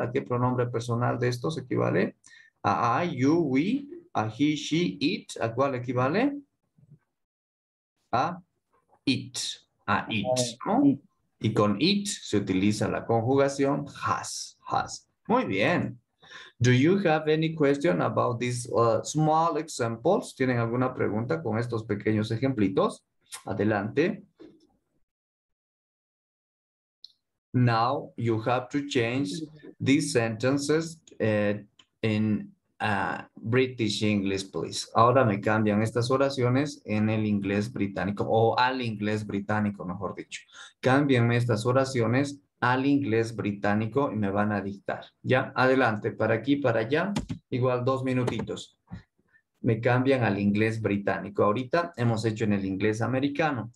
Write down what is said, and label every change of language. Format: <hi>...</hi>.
<es>¿A qué pronombre personal de estos equivale? A I, you, we, a he, she, it. ¿A cuál equivale? A it. A it, ¿no? Y con it se utiliza la conjugación has, has. Muy bien.</es> <en>Do you have any question about these small examples?</en> <es>¿Tienen alguna pregunta con estos pequeños ejemplitos? Adelante.</es> <en>Now you have to change these sentences in British English, please.</en> <es>Ahora me cambian estas oraciones en el inglés británico o al inglés británico, mejor dicho. Cámbienme estas oraciones al inglés británico y me van a dictar. Ya, adelante, para aquí, para allá, igual dos minutitos. Me cambian al inglés británico. Ahorita hemos hecho en el inglés americano.</es>